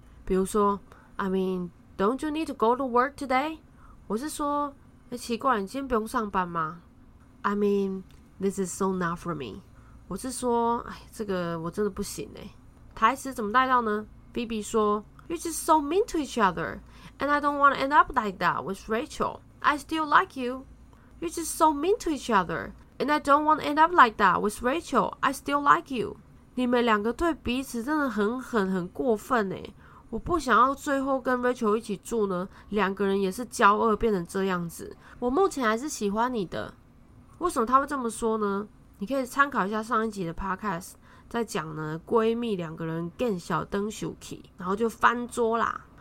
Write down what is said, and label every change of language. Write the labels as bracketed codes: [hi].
[zh] 比如说 [en] I mean don't you need to go to work today? [zh] 我是说奇怪，你今天不用上班吗？ [en] I mean this is so not for me. [zh] 我是说哎，这个我真的不行耶。台词怎么带到呢？ [en] Phoebe 说 You're just so mean to each other and I don't want to end up like that with Rachel. I still like youYou're just so mean to each other, and I don't want to end up like that with Rachel. I still like you. [zh] 你们两个对彼此真的很狠，很过分耶。我不想要最后跟 Rachel 一起住呢，两个人也是骄傲变成这样子。我目前还是喜欢你的。为什么他会这么说呢？你可以参考一下上一集的 podcast， 在讲呢闺蜜两个人更小登羞气，然后就翻桌啦。